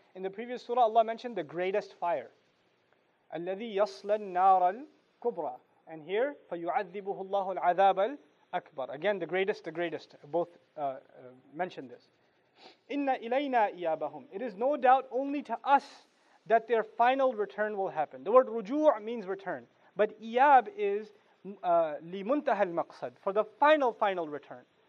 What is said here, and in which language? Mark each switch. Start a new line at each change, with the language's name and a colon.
English: In the previous surah, Allah mentioned the greatest fire.
Arabic: Alladhi yasla an-nar al-kubra.
English: And here,
Arabic: فَيُعَذِّبُهُ اللَّهُ الْعَذَابَ الْأَكْبَرِ.
English: Again, the greatest, both mentioned this.
Arabic: Inna ilayna iyabahum.
English: It is no doubt only to us that their final return will happen. The word ruju' means return. But iyab is
Arabic: limuntaha al-maqsad,
English: for the final return.